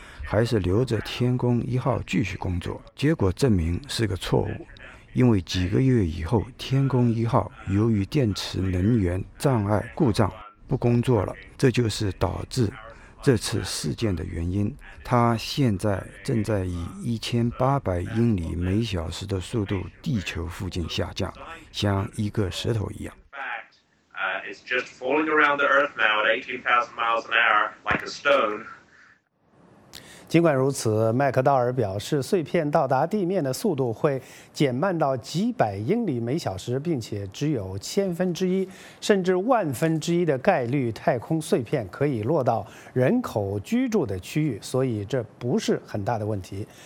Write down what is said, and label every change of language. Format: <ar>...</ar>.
<zh>还是留着天宫一号继续工作？结果证明是个错误，因为几个月以后，天宫一号由于电池能源障碍故障不工作了，这就是导致这次事件的原因。它现在正在以1800英里每小时的速度地球附近下降，像一个石头一样。</zh> <en>It's just falling around the Earth now at 18,000 miles an hour, like a stone.</en> <zh>尽管如此，麦克道尔表示，碎片到达地面的速度会减慢到几百英里每小时，并且只有1/1000甚至1/1000的概率，太空碎片可以落到人口居住的区域，所以这不是很大的问题。</zh>